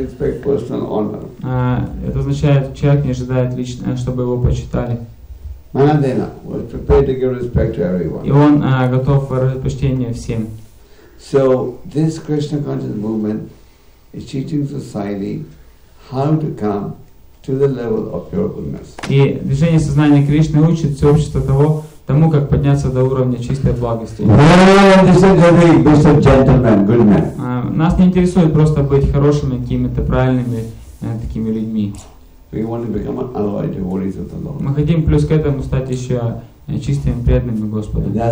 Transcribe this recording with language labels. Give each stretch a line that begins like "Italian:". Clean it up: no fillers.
Russian: Это означает, человек не ожидает лично, чтобы его почитали.
English: Manadena was prepared to give respect to everyone.
Russian: И он готов выражать почтение всем.
English: So this Krishna conscious movement is teaching society how to come to the level of pure goodness.
Russian: И движение сознания Кришны учит все общество того, тому, как подняться до уровня чистой благости. Нас не интересует просто быть хорошими, какими-то правильными такими людьми. Мы хотим плюс к этому стать еще чистыми преданными Господа.